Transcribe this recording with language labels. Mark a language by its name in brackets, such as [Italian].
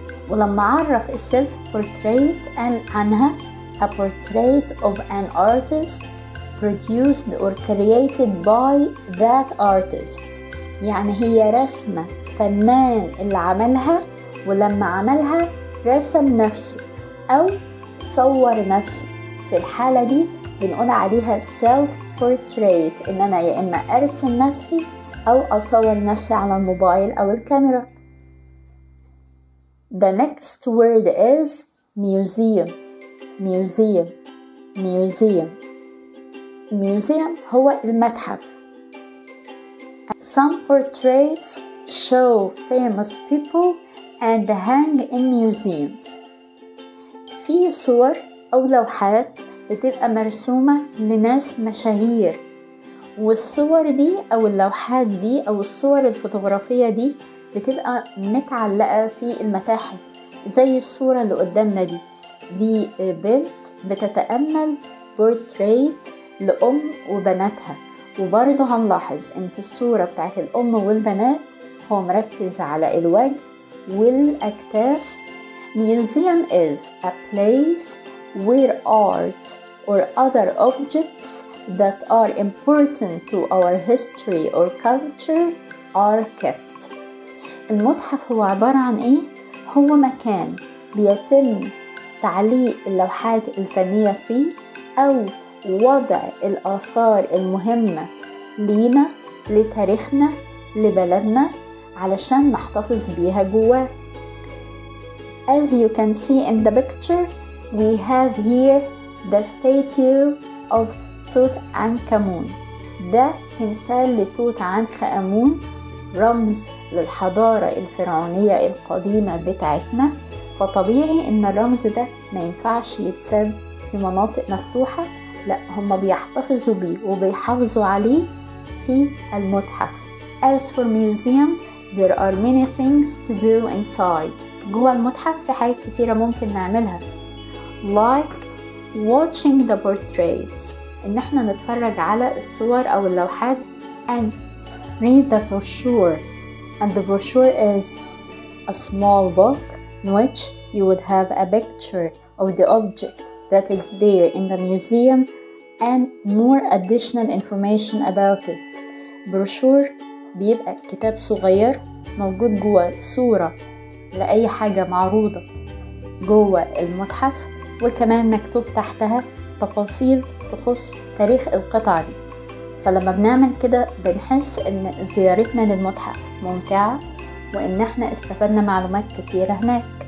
[Arabic] ولما أعرف self portrait عنها [English] a portrait of an artist produced or created by that artist، [Arabic] يعني هي رسمة فنان اللي عملها ولما عملها رسم نفسه أو صور نفسه، في الحالة دي بنقول عليها self portrait، إن أنا يا إما أرسم نفسي أو أصور نفسي على الموبايل أو الكاميرا. [English] The next word is museum. Museum. Museum. [Arabic] Museum هو المتحف. [English] Some portraits show famous people and hang in museums. [Arabic] في صور أو لوحات بتبقى مرسومة لناس مشاهير، والصور دي أو اللوحات دي أو الصور الفوتوغرافية دي بتبقى متعلقة في المتاحف، زي الصورة اللي قدامنا دي. دي بنت بتتأمل بورتريت لأم وبناتها، وبرضو هنلاحظ إن في الصورة بتاعت الأم والبنات هو مركز على الوجه والأكتاف. [English] Museum is a place where art or other objects that are important to our history or culture are kept. [Arabic] المتحف هو عبارة عن ايه؟ هو مكان بيتم تعليق اللوحات الفنية فيه او وضع الاثار المهمة لينا، لتاريخنا، لبلدنا، علشان نحتفظ بيها جواه. [English] As you can see in the picture, we have here the statue of Tutankhamun. [Arabic] ده تمثال لتوت عنخ آمون، رمز للحضارة الفرعونية القديمة بتاعتنا، فطبيعي ان الرمز ده ما ينفعش يتساب في مناطق مفتوحة، لا هم بيحتفظوا بيه وبيحافظوا عليه في المتحف. [English] As for museum, there are many things to do inside. [Arabic] جوه المتحف في حاجات كتيرة ممكن نعملها، [English] like watching the portraits، [Arabic] ان احنا نتفرج على الصور او اللوحات، [English] and read the brochure. And the brochure is a small book in which you would have a picture of the object that is there in the museum and more additional information about it. [Arabic] Brochure بيبقى كتاب صغير موجود جوه صورة لأي حاجة معروضة جوه المتحف، وكمان مكتوب تحتها تفاصيل تخص تاريخ القطعة دي. فلما بنعمل كده بنحس ان زيارتنا للمتحف ممتعة وان احنا استفدنا معلومات كتيرة هناك.